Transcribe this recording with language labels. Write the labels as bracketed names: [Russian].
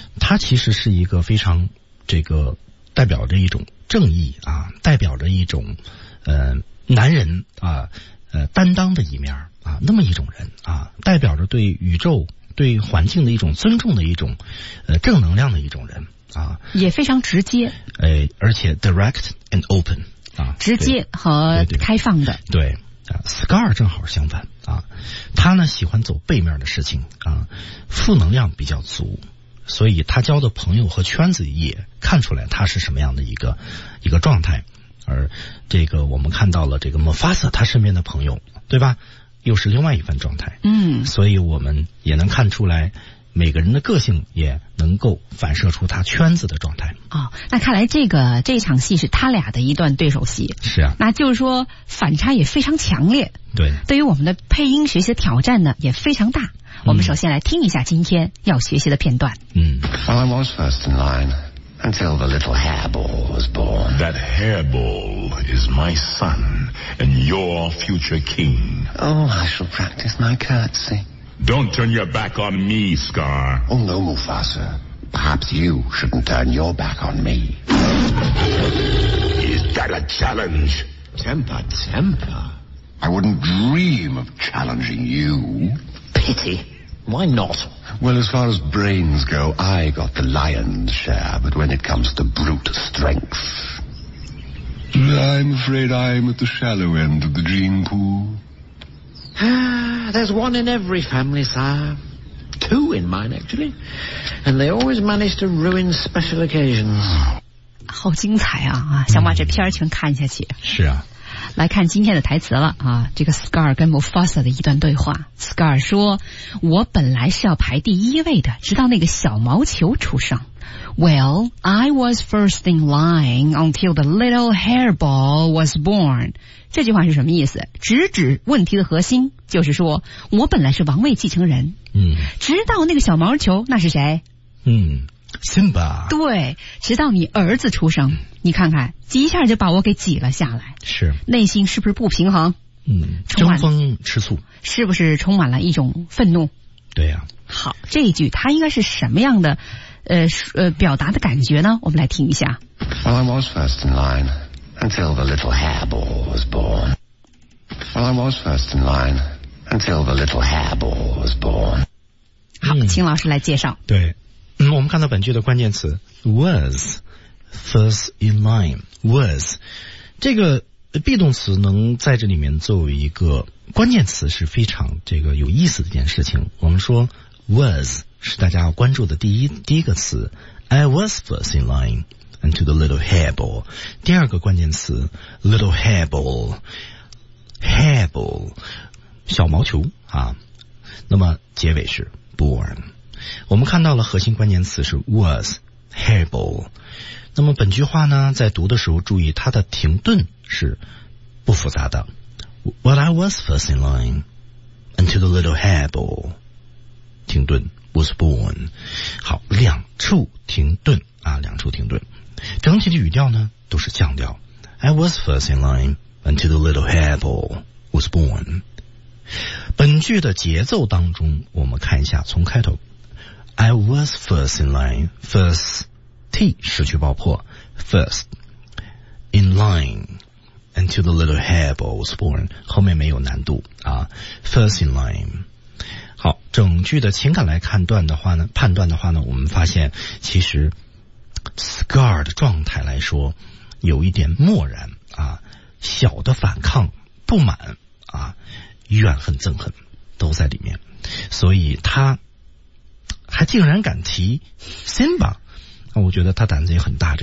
[Chinese] 他其实是一个非常这个代表着一种正义啊，代表着一种男人啊，担当的一面啊，那么一种人啊，代表着对宇宙对环境的一种尊重的一种正能量的一种人啊，也非常直接，而且 [English] direct and open [Chinese] 啊，直接和开放的。对, 对, 对, 对啊 ，Scar 正好相反啊，他呢喜欢走背面的事情啊，负能量比较足，所以他交的朋友和圈子也看出来他是什么样的一个状态。而这个我们看到了这个莫法萨他身边的朋友，对吧，又是另外一番状态。嗯，所以我们也能看出来每个人的个性也能够反射出他圈子的状态。哦，那看来这场戏是他俩的一段对手戏。是啊，那就是说反差也非常强烈。对，对于我们的配音学习的挑战呢也非常大。我们首先来听一下今天要学习的片段。嗯 [English] ，Well, I was first in line until the little hairball was born. That hairball is my son and your future king. Oh, I shall practice my curtsy. Don't turn your back on me, Scar. Oh no, Mufasa. Perhaps you shouldn't turn your back on me. Is that a challenge? Temper, temper. I wouldn't dream of challenging you. Pity. Why not? Well, as far as brains go, I got the lion's share, but when it comes to brute strength, I'm afraid I'm at the shallow end of the gene pool. There's one in every family, sire. Two in mine, actually. And they always manage to ruin special occasions. [Chinese] 好精彩啊，想把这片儿全看下去。是啊。来看今天的台词了啊，这个 [English] Scar [Chinese] 跟 [English] Mufasa [Chinese] 的一段对话。 Scar 说，我本来是要排第一位的，直到那个小毛球出生。 [English] Well, I was first in line until the little hairball was born. [Chinese] 这句话是什么意思？直指问题的核心，就是说我本来是王位继承人，嗯，直到那个小毛球，那是谁？嗯，Simba。对，直到你儿子出生，你看看一下就把我给挤了下来，是内心是不是不平衡？嗯，争风吃醋，是不是充满了一种愤怒？对呀、啊。好，这一句他应该是什么样的表达的感觉呢？我们来听一下。 [English] Well, I was first in line until the little hairball was born. Well, I was first in line until the little hairball was born. [Chinese] 好，请老师来介绍。对，嗯，我们看到本句的关键词 [English] was first in line was [Chinese] 这个 be 动词能在这里面作为一个关键词是非常这个有意思的一件事情。我们说 was 是大家要关注的第一个词 [English] I was first in line into the little hairball [Chinese] 第二个关键词 little hairball 小毛球啊。那么结尾是 born，我们看到了核心关键词是 was hairball。那么本句话呢，在读的时候注意它的停顿是不复杂的。 [English] Well, I was first in line until the little hairball [Chinese] 停顿 [English] was born。 [Chinese] 好，两处停顿啊，两处停顿，整体的语调呢都是降调。 [English] I was first in line until the little hairball was born。 [Chinese] 本句的节奏当中我们看一下，从开头 [English] I was first in line, first T [Chinese] 失去爆破 [English] first in line until the little hairball was born， [Chinese] 后面没有难度啊。 [English] First in line， [Chinese] 好，整句的情感来判断的话呢，我们发现其实 Scar 的状态来说有一点漠然啊，小的反抗不满啊，怨恨憎恨都在里面，所以他还竟然敢提 Simba， 我觉得他胆子也很大。